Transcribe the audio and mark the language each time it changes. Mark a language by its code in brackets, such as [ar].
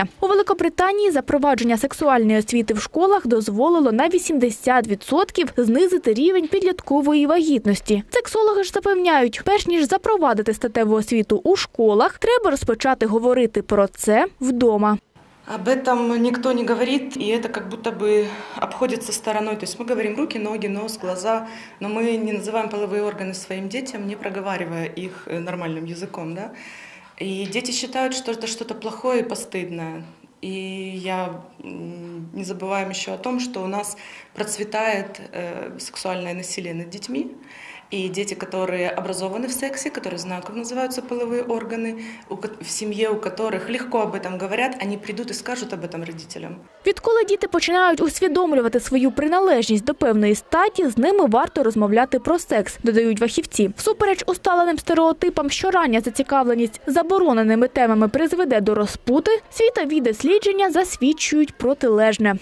[uk] У Великобританії запровадження сексуальної освіти в школах дозволило на 80% знизити рівень підліткової вагітності. Сексологи ж запевняють, перш ніж запровадити статеву освіту у школах, треба розпочати говорити про це вдома. [ru] Об этом никто не говорит, и это как будто бы обходится стороной. То есть мы говорим руки, ноги, нос, глаза, но мы не называем половые органы своим детям, не проговаривая их нормальным языком, да? И дети считают, что это что-то плохое и постыдное. И я не забываю еще о том, что у нас процветает сексуальное насилие над детьми. И дети, которые образованы в сексе, которые знают, как называются половые органы, в семье у которых легко об этом говорят, они придут и скажут об этом родителям. [uk] Відколи діти починають усвідомлювати свою приналежність до певної статі, з ними варто розмовляти про секс, додають фахівці. Всупереч усталеним стереотипам, що рання зацікавленість забороненими темами призведе до розпути, світові дослідження засвідчують протилежне.